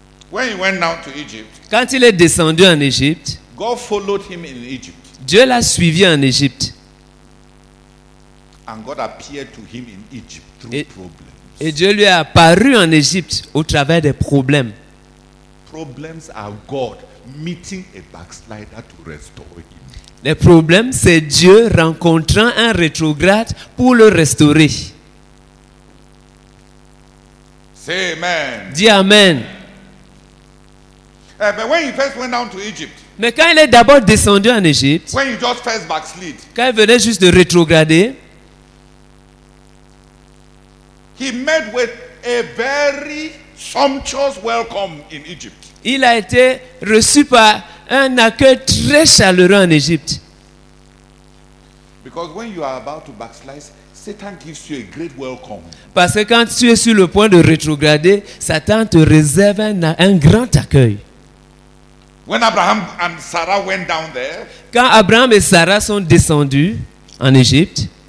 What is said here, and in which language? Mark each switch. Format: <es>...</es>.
<en>When he went down to Egypt,</en> <fr>quand il est descendu en Égypte,</fr> <en>God followed him in Egypt.</en> <fr>Dieu l'a suivi en Égypte.</fr> <en>And God appeared to him in Egypt through problems.</en> <fr>Et Dieu lui est apparu en Égypte au travers des problèmes.</fr> <en>Problems are God meeting a backslider to restore him.</en> <fr>Le problème, c'est Dieu rencontrant un rétrograde pour le restaurer.</fr> <en>Say amen.</en> <fr>Dis amen.</fr> <en>But when he first went down to Egypt,</en> <fr>mais quand il est d'abord descendu en Égypte,</fr> <en>when he just first backslid,</en> <fr>quand il venait juste de rétrograder,</fr> <en>he met with a very sumptuous welcome in Egypt.</en> <fr>Il a été reçu par un accueil très chaleureux en Égypte.</fr> <en>Because when you are about to backslide, Satan gives you a great welcome.</en> <fr>Parce que quand tu es sur le point de rétrograder, Satan te réserve un grand accueil.</fr> <en>When Abraham and Sarah went down there,</en> <fr>quand Abraham et Sarah sont descendus en Égypte,</fr>